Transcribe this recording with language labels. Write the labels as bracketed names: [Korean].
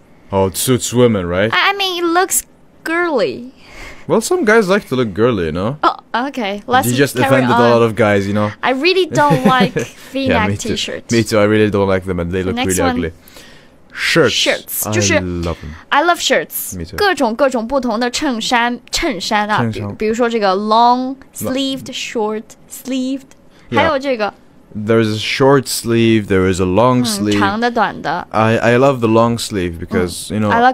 [English] Oh, it suits women, right? I mean, it looks girly. Well, some guys like to look girly, you know? Oh, okay. Let's you just offended a lot of guys, you know? I really don't like V-neck t-shirts. Me too. I really don't like them and they look really ugly. Shirts. I love them. I love shirts. Me too. [Chinese] 各种各种不同的衬衫啊。比如说这个 [English] long-sleeved, short-sleeved. [Chinese] 还有这个。 [English] There's a short sleeve, there is a long sleeve. [Chinese] 长的短的。 [English] I love the long sleeve because, you know.